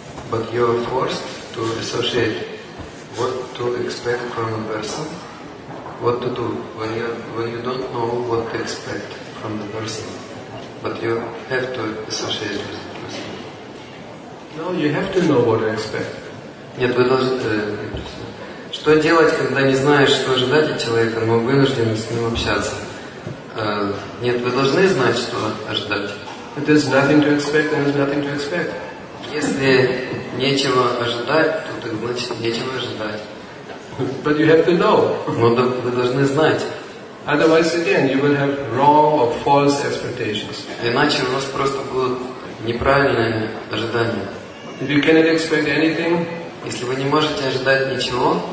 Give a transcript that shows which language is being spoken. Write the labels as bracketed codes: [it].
[en] But you are forced to associate what to expect from a person. What to do when you don't know what to expect from the person, but you have to associate with him. No, you have to know what to expect. [ru] Нет, вы должны. Что делать, когда не знаешь, что ожидать от человека, но вынужден с ним общаться? Нет, вы должны знать, что ожидать. [en] There's nothing to expect, and there's nothing to expect. [ru] Если нечего ожидать, то значит нечего ожидать. [en] But you have to know. [ru] Но вы должны знать. [en] Otherwise, again, you will have wrong or false expectations. [ru] Иначе у вас просто будут неправильные ожидания. [en] If you cannot expect anything, [ru] если вы не можете ожидать ничего,